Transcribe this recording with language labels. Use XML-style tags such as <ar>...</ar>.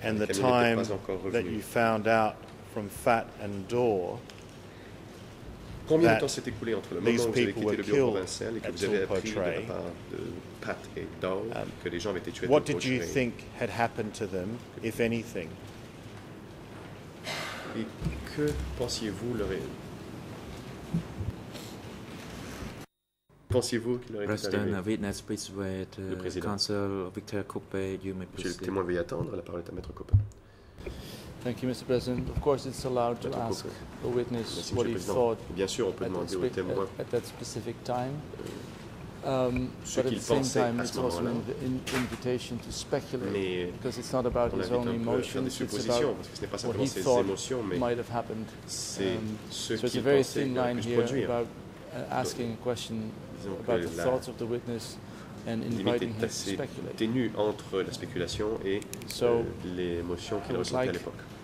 <en>and the time that you found out from Fat and Dor,</en> <fr>combien de temps s'est écoulé entre le moment où vous avez quitté le bureau provincial et que vous avez appris de la part de Pat et Dor que les gens avaient été tués?</fr> <en>What did you think had happened to them, if anything?</en> <fr>Et que pensiez-vous leur est... Pensiez-vous qu'il leur est arrivé?</fr> <en>Witness, please wait,</en> <fr>le président.</fr> <en>Counsel Victor Coupe, you may</en> <fr>proceed. Monsieur le témoin, veuillez attendre. La parole est à Maître Coupe.</fr> <en>Thank you, Mr. President. Of course, it's allowed to ask a witness what he thought at that specific time. But at the same time, it's also an invitation to speculate, because it's not about his own emotions, it's about what he thought might have happened. So it's a very thin line here about asking a question about the thoughts of the witness and inviting him to speculate.</en> <fr>Ténue entre la spéculation et les émotions qu'il ressentait à l'époque.</fr>